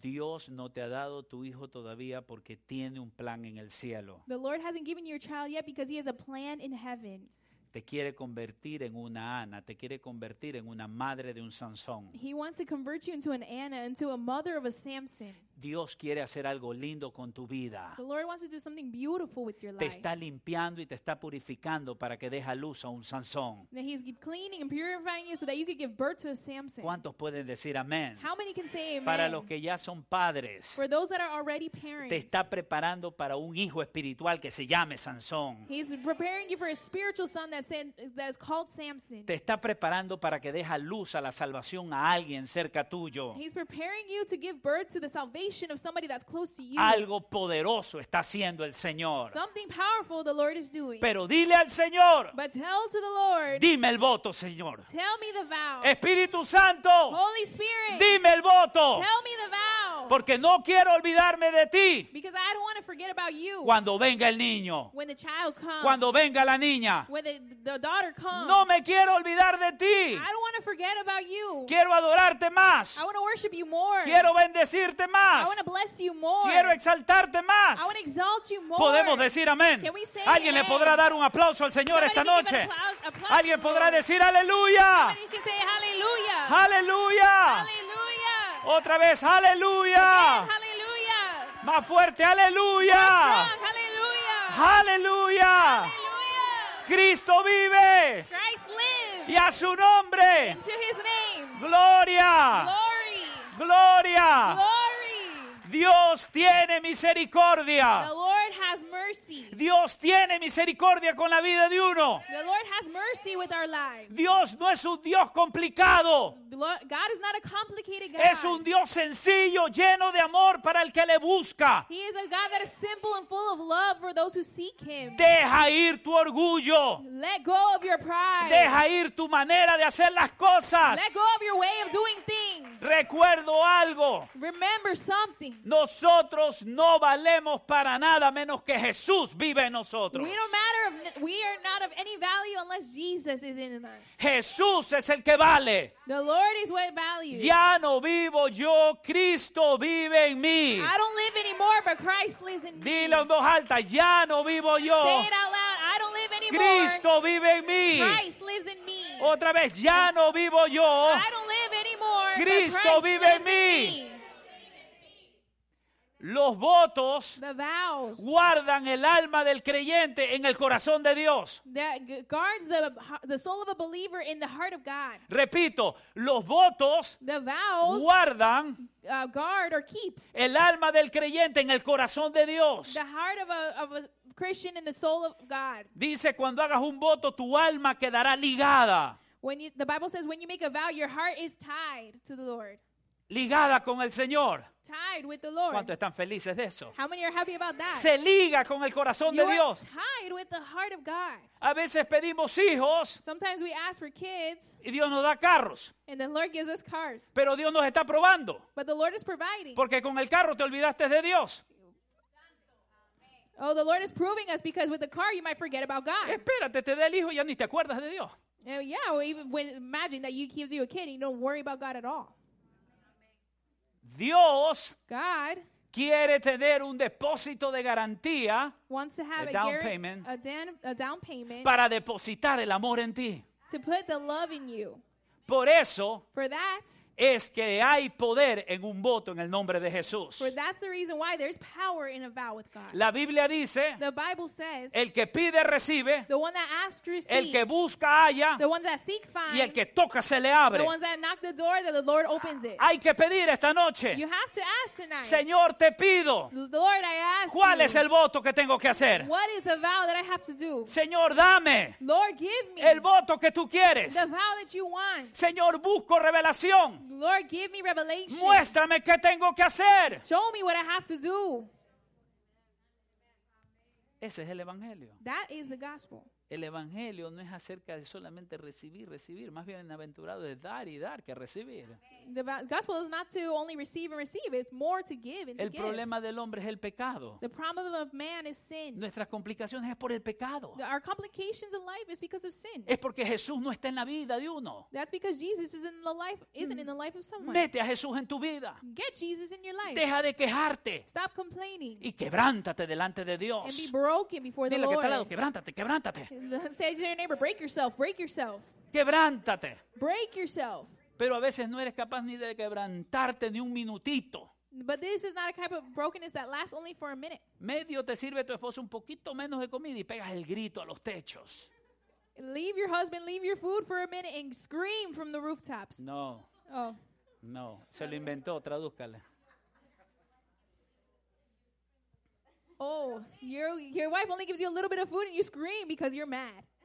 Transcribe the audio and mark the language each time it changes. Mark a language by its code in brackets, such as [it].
[es] Dios no te ha dado tu hijo todavía porque tiene un plan en el cielo. [en] The Lord hasn't given you your child yet because he has a plan in heaven. [es] Te quiere convertir en una Ana, te quiere convertir en una madre de un Sansón. [en] He wants to convert you into an Anna, into a mother of a Samson. [es] Dios quiere hacer algo lindo con tu vida. [en] The Lord wants to do something beautiful with your life. [es] Te está limpiando y te está purificando para que deje a luz a un Sansón. [en] Now he's cleaning and purifying you so that you could give birth to a Samson. [es] ¿Cuántos pueden decir amén? [en] How many can say amen? [es] Para los que ya son padres. [en] For those that are already parents. [es] Te está preparando para un hijo espiritual que se llame Sansón. [en] He's preparing you for a spiritual son that is called Samson. [es] Te está preparando para que deje a luz a la salvación a alguien cerca tuyo. [en] He's preparing you to give birth to the salvation of somebody that's close to you. [es] Algo poderoso está haciendo el Señor. [en] Something powerful the Lord is doing. [es] Pero dile al Señor. [en] But tell to the Lord. [es] Dime el voto, Señor. [en] Tell me the vow. [es] Espíritu Santo. [en] Holy Spirit. [es] Dime el voto. [en] Tell me the vow. [es] Porque no quiero olvidarme de ti. [en] Because I don't want to forget about you. [es] Cuando venga el niño. [en] When the child comes. [es] Cuando venga la niña. [en] When the daughter comes. [es] No me quiero olvidar de ti. [en] I don't want to forget about you. [es] Quiero adorarte más. [en] I want to worship you more. [es] Quiero bendecirte más. [en] I want to bless you more. [es] Quiero exaltarte más. [en] I want to exalt you more. [es] Podemos decir amén. [en] Can we say [es] alguien [en] amen? [es] Le podrá dar un aplauso al Señor. [en] Somebody [es] esta noche. [en] Applause, [es] alguien podrá decir aleluya. [en] Can say aleluya. [es] Aleluya. Aleluya. Otra vez aleluya. [en] Again, aleluya. [es] Más fuerte aleluya. Aleluya. Aleluya. Aleluya. Cristo vive. [en] Christ lives. [es] Y a su nombre. [en] Into his name. [es] Gloria. [en] Glory. [es] Gloria. [en] Glory. [es] Dios tiene misericordia. [en] The Lord has mercy. [es] Dios tiene misericordia con la vida de uno. [en] The Lord has mercy with our lives. [es] Dios no es un Dios complicado. [en] God is not a complicated God. [es] Es un Dios sencillo, lleno de amor para el que le busca. [en] He is a God that is simple and full of love for those who seek him. [es] Deja ir tu orgullo. [en] Let go of your pride. [es] Deja ir tu manera de hacer las cosas. [en] Let go of your way of doing things. [es] Recuerdo algo. [en] Remember something. [es] Nosotros no valemos para nada menos que Jesús vive en nosotros. [en] We don't matter if we are not of any value unless Jesus is in us. [es] Jesús es el que vale. [en] The Lord is what values. [es] Ya no vivo yo, Cristo vive en mí. [en] I don't live anymore, but Christ lives in me. [es] Dilo en voz alta, ya no vivo yo. [en] Say it out loud, I don't live anymore. [es] Cristo vive en mí. [en] Christ lives in me. [es] Otra vez, ya no vivo yo. [en] I don't live anymore, [es] Cristo [en] but Christ [es] vive [en] lives [es] en mí. [en] In me. [es] Los votos, [en] the vows, [es] guardan el alma del creyente en el corazón de Dios. [en] That guards the soul of a believer in the heart of God. [es] Repito, los votos, [en] the vows, [es] guardan, [en] guard or keep, [es] el alma del creyente en el corazón de Dios. [en] The heart of a Christian in the soul of God. [es] Dice, cuando hagas un voto, tu alma quedará ligada. [en] When you, the Bible says, when you make a vow, your heart is tied to the Lord. [es] Ligada con el Señor. [en] Tied with the Lord. [es] ¿Cuántos están felices de eso? [en] How many are happy about that? [es] Se liga con el corazón [en] you're [es] de Dios. [en] Tied with the heart of God. [es] A veces pedimos hijos. [en] Sometimes we ask for kids. [es] Y Dios nos da carros. [en] And the Lord gives us cars. [es] Pero Dios nos está probando. [en] But the Lord is providing. [es] Porque con el carro te olvidaste de Dios. [en] Oh, the Lord is proving us because with the car you might forget about God. [es] Espérate, te da el hijo y ya ni te acuerdas de Dios. [en] Yeah, when imagine that he gives you a kid and you don't worry about God at all. [es] Dios, [en] God, [es] quiere tener un depósito de garantía, [en] wants to have a down payment, [es] para depositar el amor en ti. [en] To put the love in you. [es] Por eso, [en] for that, [es] es que hay poder en un voto en el nombre de Jesús. [en] For that's the reason why there's power in a vow with God. [es] La Biblia dice, [en] the Bible says, [es] el que pide recibe, [en] the one that asks receives, [es] el que busca halla, [en] the one that seeks finds, [es] y el que toca se le abre. [en] The ones that knock the door, that the Lord opens it. [es] Hay que pedir esta noche. [en] You have to ask tonight. [es] Señor, te pido. [en] Lord, I ask. [es] ¿Cuál [en] you, [es] es el voto que tengo que hacer? [en] What is the vow that I have to do? [es] Señor, dame. [en] Lord, give me. [es] El voto que tú quieres. [en] The vow that you want. [es] Señor, busco revelación. [en] Lord, give me revelation. [es] Muéstrame qué tengo que hacer. [en] Show me what I have to do. [es] Ese es el evangelio. [en] That is the gospel. [es] El evangelio no es acerca de solamente recibir. Más bien aventurado es dar y dar que recibir. [en] The gospel is not to only receive and receive. It's more to give and to give. [es] El problema del hombre es el pecado. [en] The problem of man is sin. [es] Nuestras complicaciones es por el pecado. [en] Our complications in life is because of sin. [es] Es porque Jesús no está en la vida de uno. [en] That's because Jesus isn't in the life of someone. [es] Mete a Jesús en tu vida. [en] Get Jesus in your life. [es] Deja de quejarte. [en] Stop complaining. [es] Y quebrántate delante de Dios. [en] And be broken before the Lord. [es] que está al lado, quebrántate. [en] Say to your neighbor, break yourself. [es] Quebrántate. [en] Break yourself. [es] Pero a veces no eres capaz ni de quebrantarte ni un minutito. [en] But this is not a type of brokenness that lasts only for a minute. [es] Medio te sirve tu esposo un poquito menos de comida y pegas el grito a los techos. [en] Leave your husband, leave your food for a minute and scream from the rooftops. [es] No. Oh. No, se lo inventó, tradúzcale. [en] Oh, your wife only gives you a little bit of food and you scream because you're mad.